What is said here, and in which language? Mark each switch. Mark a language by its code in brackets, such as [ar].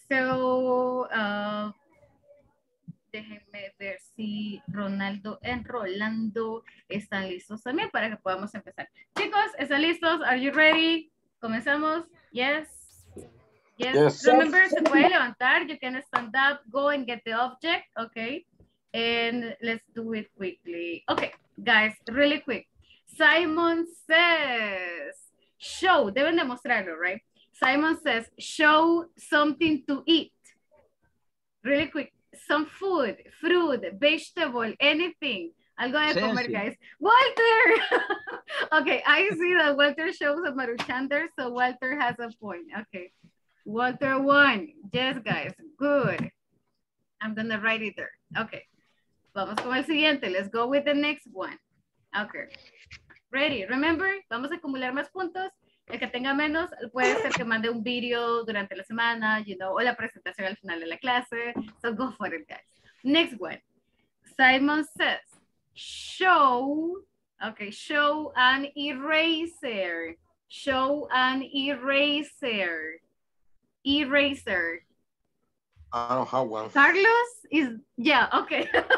[es] So, déjenme ver si Ronaldo y Rolando están listos también para que podamos empezar. Chicos, ¿están listos? [en] Are you ready? [es] ¿Comenzamos? [en] Yes. Yes. Yes. Remember, [es] se puede levantar. [en] You can stand up, go and get the object. Okay. And let's do it quickly. Okay, guys, really quick. Simon says, show, [es] deben demostrarlo, [en] right? Simon says, show something to eat. Really quick, some food, fruit, vegetable, anything. [es] Algo de comer, [en] guys. Walter! Okay, I see that Walter shows a maruchander, so Walter has a point. Okay, Walter won. Yes, guys, good. I'm gonna write it there. [es] Okay, vamos con el siguiente. [en] Let's go with the next one. Okay. Ready, remember, [es] vamos a acumular más puntos. El que tenga menos puede ser que mande un video durante la semana, [en] you know, [es] o la presentación al final de la clase. [en] So go for it, guys. Next one. Simon says, show, okay, show an eraser. Show an eraser. Eraser. don't have one. Carlos is, yeah, okay.